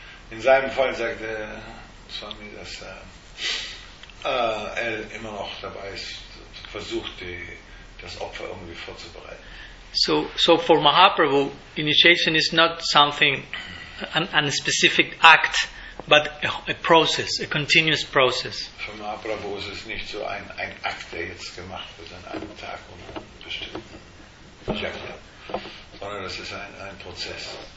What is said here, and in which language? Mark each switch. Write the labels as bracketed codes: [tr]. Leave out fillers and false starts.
[de] In seinem Fall sagt der Swami, dass er immer noch dabei ist, versucht, das Opfer irgendwie vorzubereiten. [en] So for Mahaprabhu, initiation is not something, an specific act, but a process, a continuous process. [de] Für Mahaprabhu ist es nicht so ein Akt, der jetzt gemacht wird an einem Tag und einem bestimmten Chakra, sondern das ist ein Prozess.